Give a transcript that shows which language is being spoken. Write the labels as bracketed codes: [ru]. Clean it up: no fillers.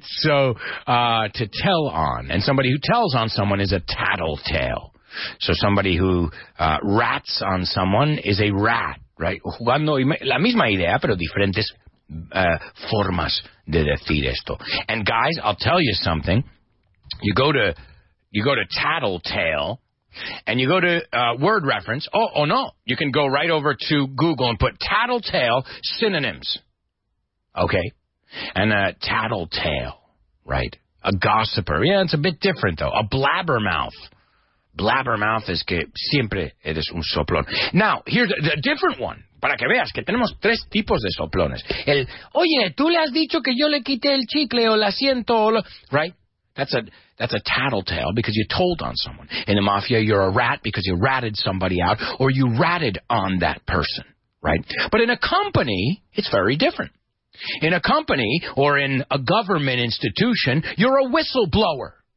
[en] So to tell on, and somebody who tells on someone is a tattletale. So somebody who rats on someone is a rat. [es] Right, jugando la misma idea, pero diferentes formas de decir esto. [en] And guys, I'll tell you something. You go to tattletale, and you go to word reference. Oh no, you can go right over to Google and put tattletale synonyms. Okay, and a tattletale, right? A gossiper. Yeah, it's a bit different though. A blabbermouth. [es] Blabbermouth es que siempre eres un soplón. [en] Now, here's a different one. [es] Para que veas que tenemos tres tipos de soplones. El, oye, tú le has dicho que yo le quité el chicle o la siento. O lo, right? [en] That's a tattletale because you told on someone. In the mafia, you're a rat because you ratted somebody out or you ratted on that person. Right? But in a company, it's very different. In a company or in a government institution, you're a whistleblower.